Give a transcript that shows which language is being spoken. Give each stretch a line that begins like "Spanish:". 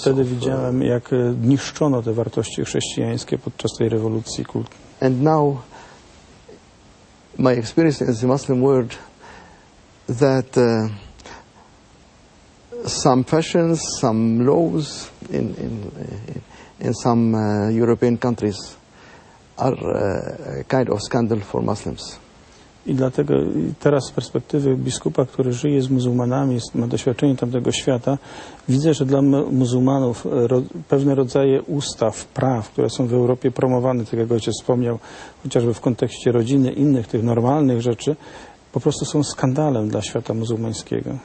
Polish: Wtedy widziałem, jak niszczono te wartości chrześcijańskie podczas tej rewolucji kultu.
English: And now my experience in the Muslim world that some fashions, some laws in some European countries are kind of scandal for Muslims.
Polish: I dlatego teraz z perspektywy biskupa, który żyje z muzułmanami, ma doświadczenie tamtego świata, widzę, że dla muzułmanów pewne rodzaje ustaw, praw, które są w Europie promowane, tak jak ojciec wspomniał, chociażby w kontekście rodziny, innych tych normalnych rzeczy, po prostu są skandalem dla świata muzułmańskiego.